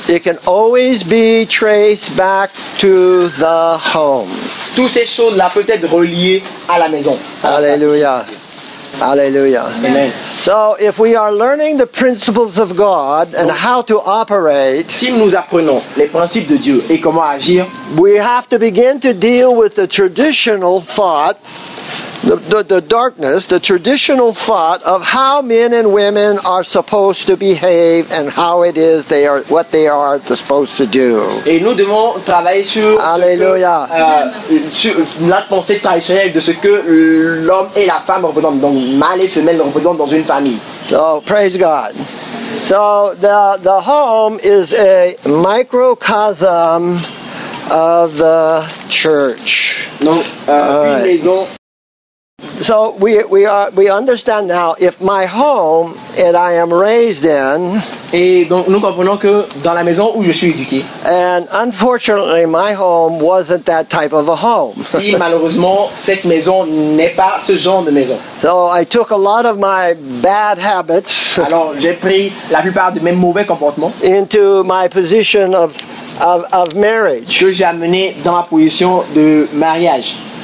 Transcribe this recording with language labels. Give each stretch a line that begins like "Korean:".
English: It can always be traced back to the home.
French: Toutes ces choses-là peuvent être reliées à la maison. Alléluia. Alléluia. Amen.
English: So if we are learning the principles of God and how to operate,
French: si nous apprenons les principes de Dieu et comment agir,
English: we have to begin to deal with the traditional thought, the darkness, the traditional thought of how men and women are supposed to behave and how it is they are what they are supposed to do.
French: Et nous devons travailler sur Alléluia. Sur la pensée traditionnelle de ce que l'homme et la femme représentent, donc mâle et femelle représentent dans une famille.
English: So praise God. So the home is a microcosm of the church.
French: Donc une maison.
English: So we understand now if my home and I am raised in
French: et donc nous comprenons que dans la maison où je suis éduqué
English: and unfortunately my home wasn't that type of a home.
French: Si malheureusement cette maison n'est pas ce genre de maison.
English: So I took a lot of my bad habits.
French: Alors j'ai pris la plupart de mes mauvais comportements
English: into my position of marriage.
French: Que j'ai amené dans ma position de mariage.